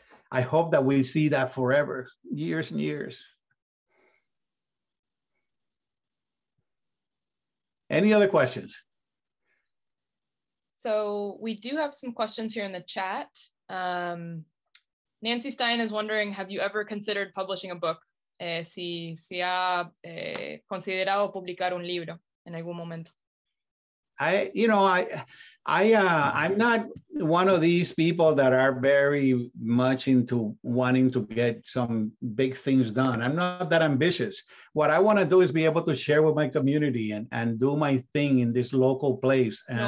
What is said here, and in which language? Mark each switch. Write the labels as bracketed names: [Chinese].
[English] I hope that we see that forever, years and years. Any other questions? So we do have some questions here in the chat. Nancy Stein is wondering, have you ever considered publishing a book? [Spanish] Si ha considerado publicar un libro en algún momento. [English] I'm not one of these people that are very much into wanting to get some big things done. I'm not that ambitious. What I want to do is be able to share with my community and do my thing in this local place